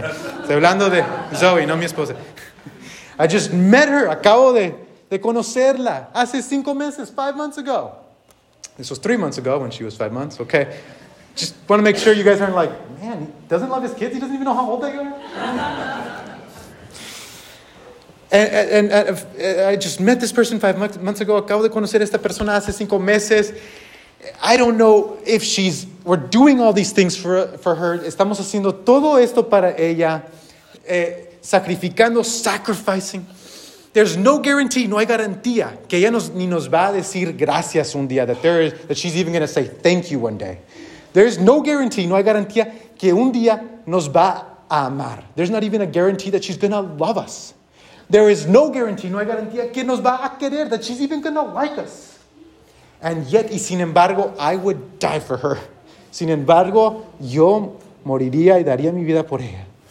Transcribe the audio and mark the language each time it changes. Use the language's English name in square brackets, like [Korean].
[Spanish] Estoy hablando de Zoe, no mi esposa. [English] I just met her. [Spanish] Acabo de conocerla. Hace 5 meses, [English] 5 months ago. This was 3 months ago when she was 5 months, okay? Just want to make sure you guys aren't like, man, he doesn't love his kids. He doesn't even know how old they are. And I just met this person 5 months ago. [Spanish] Acabo de conocer a esta persona hace 5 meses. [English] I don't know if we're doing all these things for her. [Spanish] Estamos haciendo todo esto para ella. Sacrificando, [English] sacrificing. There's no guarantee, [Spanish] no hay garantía que ella ni nos va a decir gracias un día. [English] That she's even going to say thank you one day. There's no guarantee, [Spanish] no hay garantía que un día nos va a amar. [English] There's not even a guarantee that she's going to love us. There is no guarantee, [Spanish] no hay garantía que nos va a querer. [English] That she's even going to like us. And yet, [Spanish] y sin embargo, [English] I would die for her. [Spanish] Sin embargo, yo moriría y daría mi vida por ella.